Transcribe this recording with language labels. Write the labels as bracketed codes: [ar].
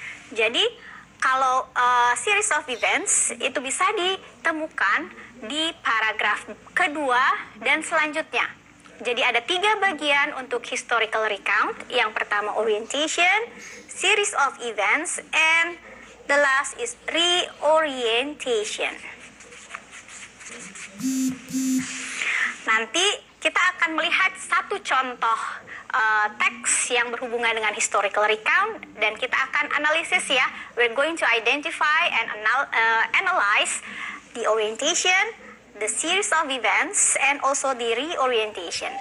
[id] Jadi, kalau series of events itu bisa ditemukan di paragraf kedua dan selanjutnya. Jadi ada tiga bagian untuk historical recount. Yang pertama [en] orientation, series of events, and the last is reorientation. [id] Nanti kita akan melihat satu contoh teks yang berhubungan dengan historical recount dan kita akan analisis ya. [en] We're going to identify and analyze the orientation, the series of events, and also the reorientation.